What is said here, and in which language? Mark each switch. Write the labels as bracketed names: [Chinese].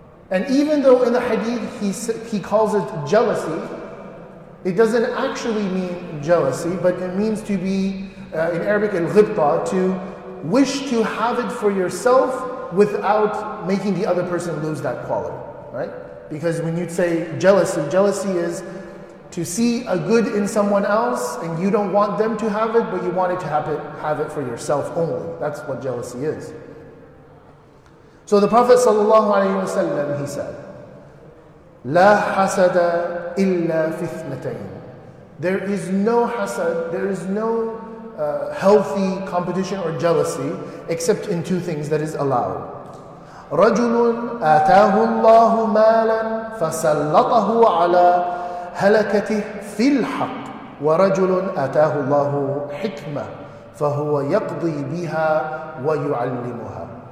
[English] And even though in the hadith he calls it jealousy, it doesn't actually mean jealousy, but it means to be, in Arabic, al-ghibta, to wish to have it for yourself without making the other person lose that quality, right? Because when you say jealousy, jealousy is to see a good in someone else and you don't want them to have it, but you want it to have it for yourself only. That's what jealousy is. So the Prophet ﷺ, he said, [Arabic] لَا حَسَدَ إِلَّا فِي اثْنَتَيْنِ. [English] There is no hasad, there is no healthy competition or jealousy except in two things that is allowed. [Arabic] رَجُلٌ آتَاهُ اللَّهُ مَالًا فَسَلَّطَهُ عَلَى هَلَكَتِهِ فِي الْحَقِّ وَرَجُلٌ آتَاهُ اللَّهُ حِكْمَةً فَهُوَ يَقْضِي بِهَا وَيُعَلِّمُهَا.